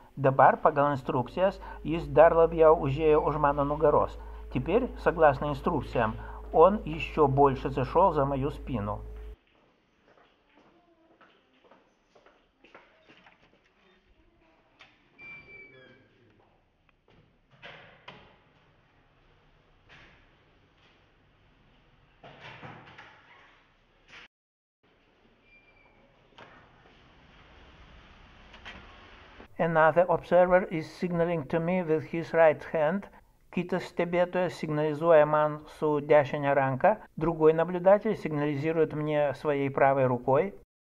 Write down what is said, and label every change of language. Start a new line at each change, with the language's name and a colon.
Lithuanian: Dabar, pagal instrukcijas, jis dar labiau užėjo už mano nugaros.
Russian: Теперь, согласно инструкциям, он еще больше зашел за мою спину.
English: Another observer is signaling to me with his right hand.
Lithuanian: Kitas stebėtojas signalizuoja man su dešine ranka.
Russian: Другой наблюдатель сигнализирует мне своей правой рукой.